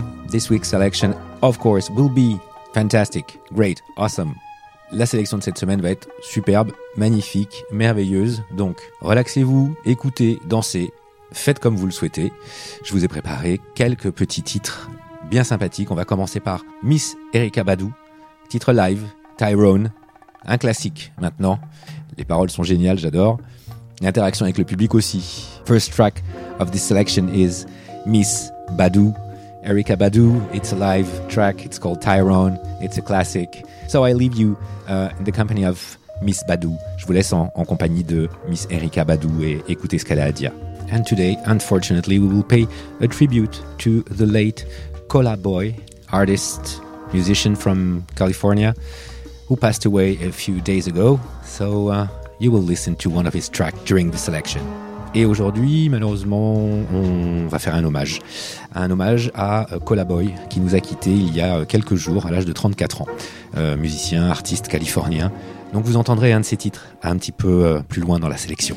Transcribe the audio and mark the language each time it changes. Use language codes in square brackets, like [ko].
[en] This week's selection, of course, will be fantastic, great, awesome. [fr] La sélection de cette semaine va être superbe, magnifique, merveilleuse. Donc, relaxez-vous, écoutez, dansez, faites comme vous le souhaitez. Je vous ai préparé quelques petits titres bien sympathique. On va commencer par Miss Erika Badu, titre live, Tyrone, un classique maintenant. Les paroles sont géniales, j'adore. L'interaction avec le public aussi. [en] First track of this selection is Miss Badu, Erika Badu. It's a live track, it's called Tyrone, it's a classic. So I leave you in the company of Miss Badu. [fr] Je vous laisse en compagnie de Miss Erika Badu et écoutez ce qu'elle a à dire. [en] And today, unfortunately, we will pay a tribute to the late Cola Boy, artist, musician from California, who passed away a few days ago. So you will listen to one of his tracks during the selection. [fr] Et aujourd'hui, malheureusement, on va faire un hommage. Un hommage à Cola Boy, qui nous a quittés il y a quelques jours, à l'âge de 34 ans. Musicien, artiste californien. Donc vous entendrez un de ses titres un petit peu plus loin dans la sélection.